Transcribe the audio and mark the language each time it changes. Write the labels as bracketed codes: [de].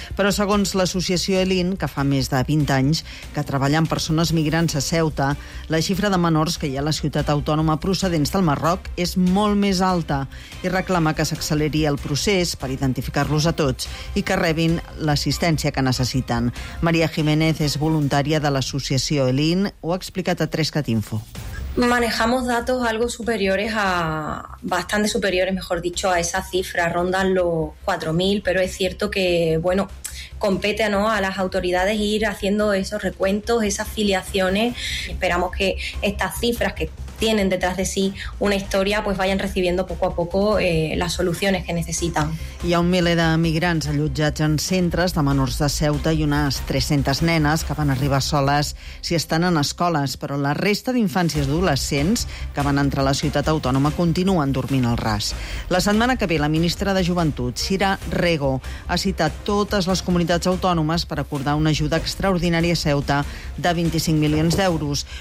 [ca] Però, segons l'associació ELIN, que fa més de 20 anys que treballa amb persones migrants a Ceuta, la xifra de menors que hi ha a la ciutat autònoma procedents del Marroc és molt més alta i reclama que s'acceleri el procés per identificar-los a tots i que rebin l'assistència que necessiten. Maria Jiménez és voluntària de l'associació ELIN, ho ha explicat a 3 Info. [es] Manejamos datos algo superiores a, bastante superiores, mejor dicho, a esa cifra, rondan los 4.000, pero es cierto que, bueno, compete, ¿no?, a las autoridades ir haciendo esos recuentos, esas filiaciones. Esperamos que estas cifras que tienen detrás de sí una historia, pues vayan recibiendo poco a poco las soluciones que necesitan. [ca] Hi ha un miler de migrants allotjats en centres de menors de Ceuta i unes 300 nenes que van arribar soles si estan en escoles, però la resta d'infants i adolescents que van entrar a la ciutat autònoma continuen dormint al ras. La setmana que ve, la ministra de Joventut, Sira Rego, ha citat totes les comunitats autònomes per acordar una ajuda extraordinària a Ceuta de 25 milions d'euros.